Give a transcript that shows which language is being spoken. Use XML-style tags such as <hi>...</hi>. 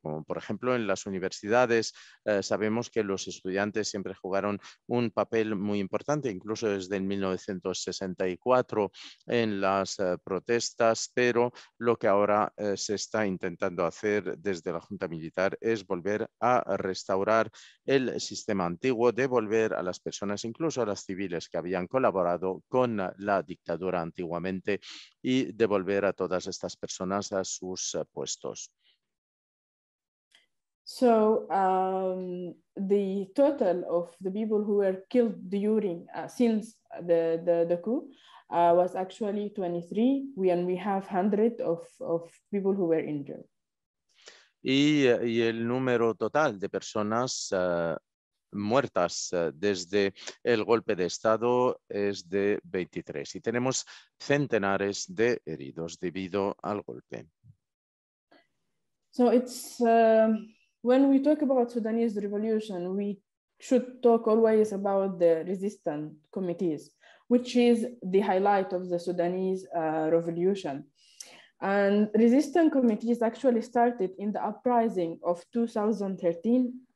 <es>Como por ejemplo en las universidades, sabemos que los estudiantes siempre jugaron un papel muy importante, incluso desde 1964 en las protestas, pero lo que ahora se está intentando hacer desde la Junta Militar es volver a restaurar el sistema antiguo, devolver a las personas, incluso a las civiles que habían colaborado con la dictadura antiguamente, y devolver a todas estas personas a sus puestos.</es> <en>So the total of the people who were killed during since the coup was actually 23, and we have hundreds of people who were injured.</en> <es>Y el número total de personas muertas desde el golpe de Estado es de 23, y tenemos centenares de heridos debido al golpe.</es> <en>So it's when we talk about Sudanese revolution, we should talk always about the resistance committees, which is the highlight of the Sudanese revolution. And resistance committees actually started in the uprising of 2013.</en>